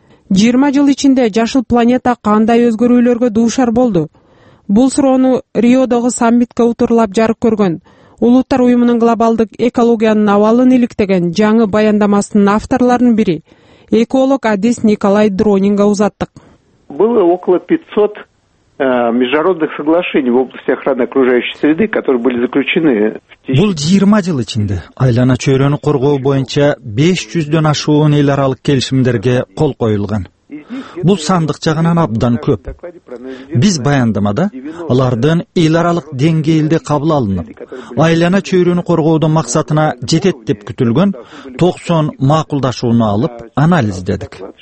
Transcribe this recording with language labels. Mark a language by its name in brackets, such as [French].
[Kyrgyz] 20 жыл ичинде жашыл планета кандай өзгөрүүлөргө дуушар болду? Бул суроону Риодогу саммитке утурулап жарык көргөн Улуттар Уюмунун глобалдык экологиянын абалын иликтеген жаңы баяндамасынын авторлорунун бири, эколог Адис Николай Дронинга узаттык. [Russian] Было около 500 международных соглашений в области охраны окружающей среды, которые были заключены. [Kyrgyz] Бул 20 жыл ичинде айлана чөйрөнү коргоо боюнча 500дөн ашуун эл аралык келишимдерге кол коюлган. Бул сандык жагынан абдан көп. Биз баяндамада алардын эл аралык деңгээлде кабыл алынып, айлана чөйрөнү коргоодун максатына жетет деп күтүлгөн 90 макулдашууну алып, анализдедик.